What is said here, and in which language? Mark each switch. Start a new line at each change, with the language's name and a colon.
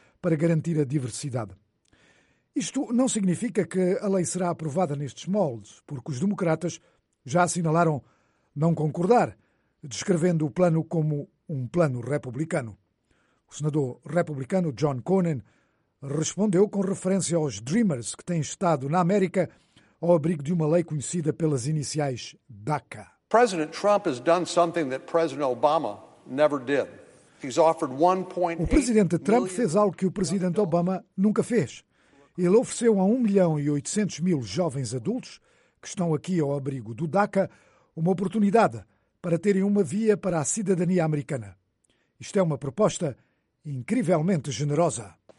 Portuguese: para garantir a diversidade. Isto não significa que a lei será aprovada nestes moldes, porque os democratas já assinalaram não concordar, descrevendo o plano como um plano republicano. O senador republicano John Cornyn respondeu com referência aos Dreamers que têm estado na América ao abrigo de uma lei conhecida pelas iniciais DACA.
English: President Trump has done something that President Obama never did. He's offered 1.8.
Portuguese: O presidente Trump fez algo que o presidente Obama nunca fez. Ele ofereceu a 1 milhão e 800 mil jovens adultos que estão aqui ao abrigo do DACA uma oportunidade para terem uma via para a cidadania americana. Isto é uma proposta incrivelmente generosa.